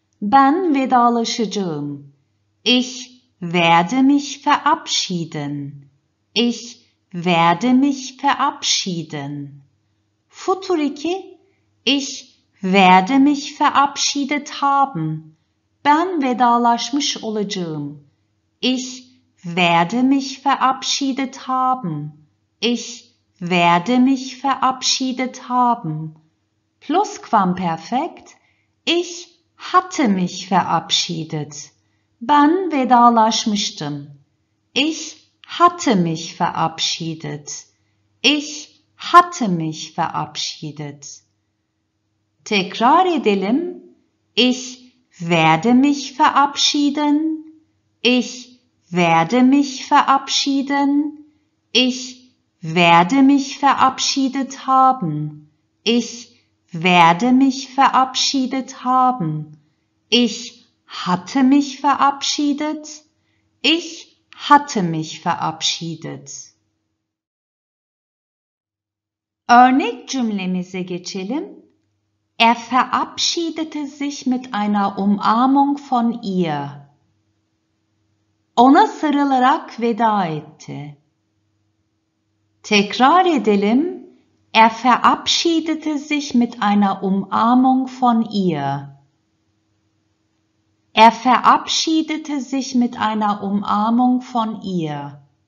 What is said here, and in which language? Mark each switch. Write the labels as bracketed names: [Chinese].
[Turkish] Ben vedalaşacağım. [German] Ich werde mich verabschieden. Ich Werde mich verabschieden. Futur 2. Ich werde mich verabschiedet haben. [Turkish] Ben vedalaşmış olacağım. [German] Ich werde mich verabschiedet haben. Ich werde mich verabschiedet haben. Plusquamperfekt. Ich hatte mich verabschiedet. [Turkish] Ben vedalaşmıştım. [German] Ich hatte mich verabschiedet. Ich hatte mich verabschiedet. [Turkish] Tekrar edelim. [German] Ich werde mich verabschieden. Ich werde mich verabschieden. Ich werde mich verabschiedet haben. Ich werde mich verabschiedet haben. Ich hatte mich verabschiedet. Ich hatte mich verabschiedet. [Turkish] Örnek cümlemize geçelim. [German] Er verabschiedete sich mit einer Umarmung von ihr. [Turkish] Ona sarılarak veda etti. Tekrar edelim. [German] Er verabschiedete sich mit einer Umarmung von ihr. Er verabschiedete sich mit einer Umarmung von ihr.